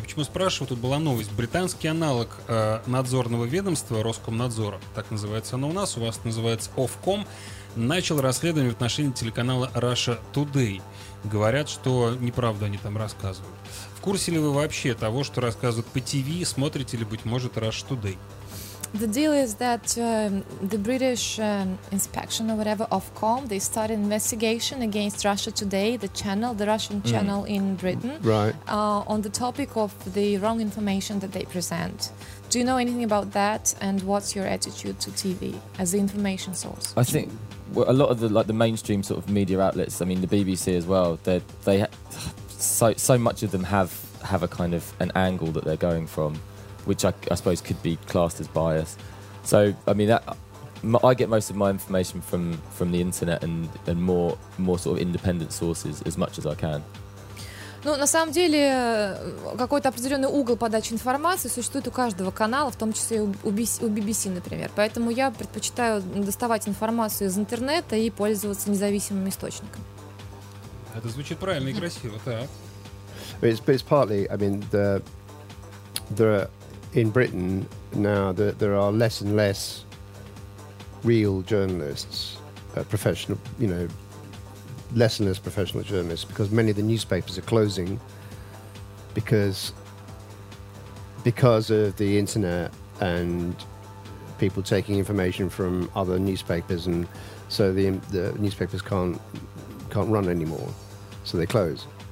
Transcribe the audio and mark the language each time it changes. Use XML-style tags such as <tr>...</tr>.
<ru>Я почему спрашиваю, тут была новость. Британский аналог надзорного ведомства Роскомнадзора, так называется оно у нас, у вас называется Ofcom, начал расследование в отношении телеканала Russia Today. Говорят, что неправду они там рассказывают. В курсе ли вы вообще того, что рассказывают по ТВ, смотрите ли, быть может, Rush Today?</ru> <en>The deal is that the British inspection or whatever of Ofcom, they started investigation against Russia Today, the channel, the Russian channel in Britain, on the topic of the wrong information that they present. Do you know anything about that, and what's your attitude to TV as the information source? I think a lot of the like the mainstream sort of media outlets, I mean the BBC as well, they so much of them have a kind of an angle that they're going from, which I suppose could be classed as bias. So I mean that I get most of my information from the internet and more sort of independent sources as much as I can.</en> <ru>Ну, на самом деле, какой-то определенный угол подачи информации существует у каждого канала, в том числе и у BBC, например. Поэтому я предпочитаю доставать информацию из интернета и пользоваться независимыми источниками. Это звучит правильно и красиво, да.</ru> <en>It's partly, I mean, there in Britain now there are less and less real journalists, professional, you know, less and less professional journalists, because many of the newspapers are closing because of the internet and people taking information from other newspapers, and so the newspapers can't run anymore, so they close.</en>